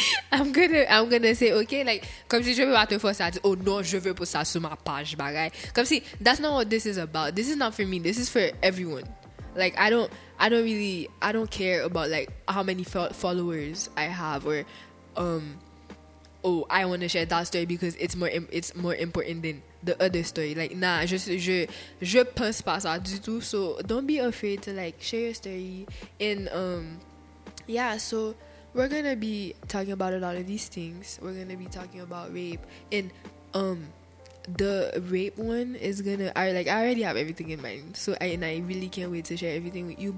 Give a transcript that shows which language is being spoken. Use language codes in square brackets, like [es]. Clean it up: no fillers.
[en] I'm gonna say okay, like, [fr] comme si je veux pas te forcer à dire, oh non, je veux pas ça sur ma page, bagay. Comme si, [en] that's not what this is about. This is not for me. This is for everyone. Like, I don't care about, like, how many followers I have, or, I want to share that story because it's more important than the other story. Like, nah, [fr] je pense pas ça du tout. [en] So don't be afraid to, like, share your story. And yeah, so we're gonna be talking about a lot of these things. We're gonna be talking about rape, and the rape one is gonna, I already have everything in mind, so I really can't wait to share everything with you.